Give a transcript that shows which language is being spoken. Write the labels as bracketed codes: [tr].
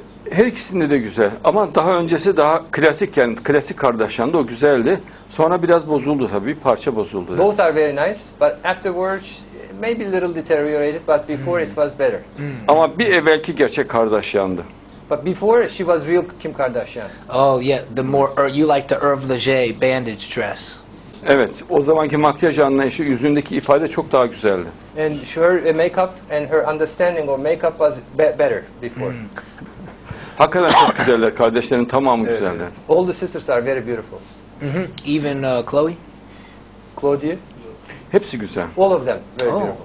[tr] Her ikisinde de güzel ama daha öncesi daha klasik yani klasik Kardashian'da o güzeldi. Sonra biraz bozuldu tabii, bir parça bozuldu. Yani. [en] Both are very nice, but afterwards maybe a little deteriorated, but before it was better. [tr] Ama bir evvelki gerçek Kardashian'dı. [en] But before she was real Kim Kardashian. Oh yeah, the more you like the Herve Léger bandage dress. [tr] Evet, o zamanki makyaj anlayışı, yüzündeki ifade çok daha güzeldi. [en] And her makeup and her understanding of makeup was better before. [tr] Hakikaten çok güzeller, kardeşlerin tamamı evet, güzeller. Evet. [en] All the sisters are very beautiful. Even Chloe? Claudia? [tr] Hepsi güzel. [en] All of them very beautiful.